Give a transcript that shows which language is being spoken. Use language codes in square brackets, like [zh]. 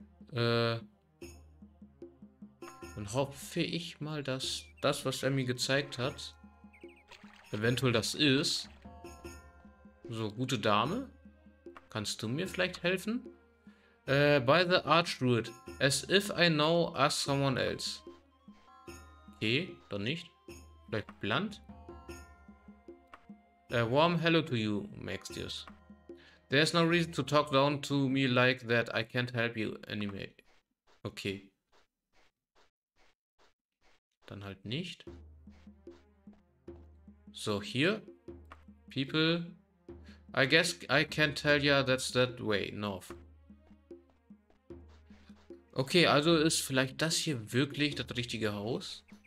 [de] Dann hoffe ich mal, dass das, was er mir gezeigt hat, eventuell das ist. So, gute Dame. Kannst du mir vielleicht helfen? [en] By the Archdruid, as if I know, ask someone else. [de] Okay, dann nicht. Vielleicht Blunt? [en] A warm hello to you, Maxius. There's no reason to talk down to me like that. I can't help you anyway. Okay. [de] Dann halt nicht. So, hier. [en] People. I guess I can tell ya that's that way, north. [de] Okay, also ist vielleicht das hier wirklich das richtige Haus.